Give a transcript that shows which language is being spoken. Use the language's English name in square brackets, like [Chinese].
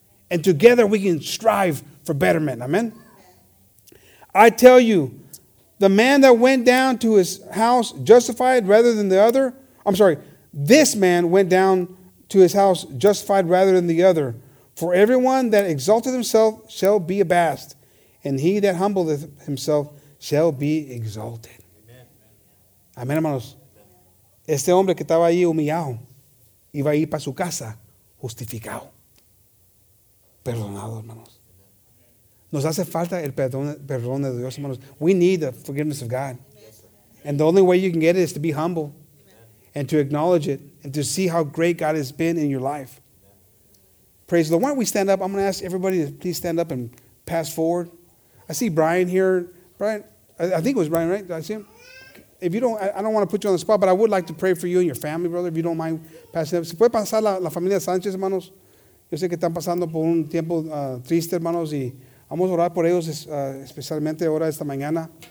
[English] And together we can strive for betterment. Amen? I tell you, the man that went down to his house justified rather than the other. I'm sorry, this man went down to his house justified rather than the other. For everyone that exalteth himself shall be abased, and he that humbleth himself shall be exalted. Amen, hermanos. [Spanish] Este hombre que estaba ahí humillado iba a ir para su casa justificado. Perdonado, hermanos. Nos hace falta el perdón de Dios, hermanos. [English] We need the forgiveness of God. And the only way you can get it is to be humble and to acknowledge it and to see how great God has been in your life. Praise the Lord. Why don't we stand up? I'm going to ask everybody to please stand up and pass forward. I see Brian here. Brian, I think it was Brian, right? Did I see him? If you don't, I don't want to put you on the spot, but I would like to pray for you and your family, brother, if you don't mind passing up. [Spanish] ¿Se puede pasar la familia Sánchez, hermanos? Yo sé que están pasando por un tiempo triste, hermanos, y vamos a orar por ellos especialmente ahora esta mañana.